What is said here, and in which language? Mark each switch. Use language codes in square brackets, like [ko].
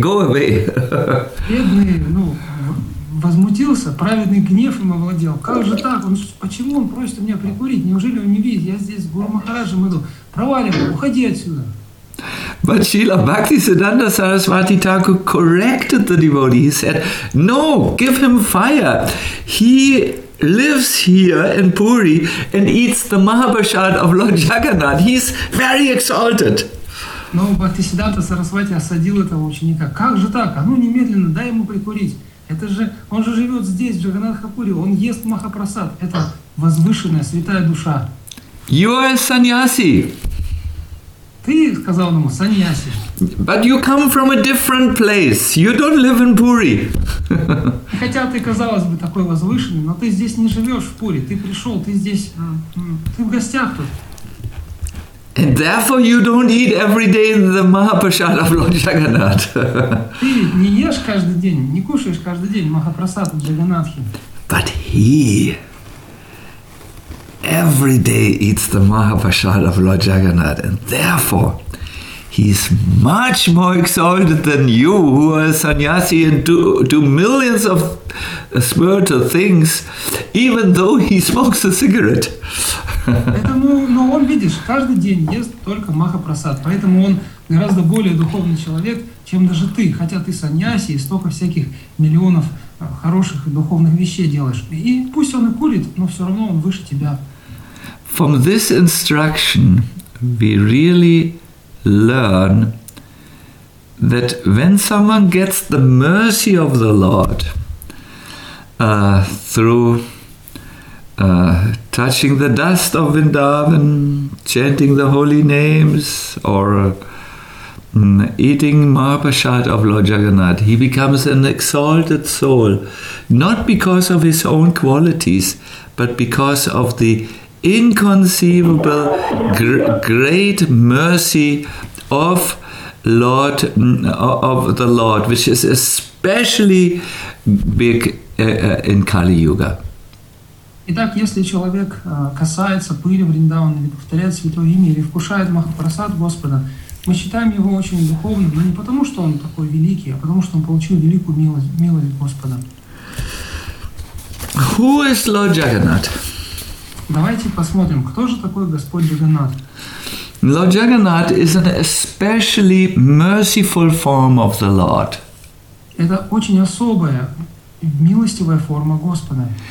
[ru] Бедный, ну, возмутился, праведный гнев им овладел. Как же так? Он, почему он просит у меня прикурить? Неужели он не видит? Я здесь с Гуру Махараджем иду. Проваливай, уходи отсюда. [en] But Srila Bhakti Siddhanta Saraswati Thakur corrected the devotee. He said, no, give him fire. He lives here in Puri and eats the Mahaprasad of Lord Jagannath. He's very exalted. [ru] Но Бхакти Сиддханта Сарасвати осадил этого ученика. Как же так? А ну немедленно дай ему прикурить. Это же, он же живет здесь, в Джаганнатхапури. Он ест Махапрасад. Это возвышенная святая душа. [en] You are a sannyasi. [ru] Ты сказал ему, саньяси. [en] But you come from a different place. You don't live in Puri. [ru] Хотя ты, казалось бы, такой возвышенный, но ты здесь не живешь в Пури. Ты пришел, ты здесь, ты в гостях тут. [en] And therefore you don't eat every day the Mahaprasad of Lord Jagannath. [ru] Ты не ешь каждый день, не кушаешь каждый день Махапрасад в Джаганнатхе. [en] But he every day eats the Mahaprasad of Lord Jagannath, and therefore he's much more exalted than you, who are a sannyasi and do millions of spiritual things, even though he smokes a cigarette. [ru] Поэтому, но он, видишь, каждый день ест только Махапрасад, поэтому он гораздо более духовный человек, чем даже ты, хотя ты сannyasi и столько всяких миллионов хороших и духовных вещей делаешь. И пусть он и курит, но все равно он выше тебя. [en] From this instruction, we really learn that when someone gets the mercy of the Lord through touching the dust of Vrindavan, chanting the holy names, or eating Mahaprasad of Lord Jagannath, he becomes an exalted soul, not because of his own qualities, but because of the inconceivable great mercy of the Lord, which is especially big in Kali Yuga. [ru] Итак, если человек касается пыли Вриндавана или повторяет святое имя или вкушает Махапрасад Господа, мы считаем его очень духовным, но не потому, что он такой великий, а потому, что он получил великую милость Господа. [en] Who is Lord Jagannath? [ru] Давайте посмотрим, кто же такой Господь Джаганнат. [en] Lord Jagannath is an especially merciful form of the Lord. [ru] Это очень особая, милостивая форма Господа.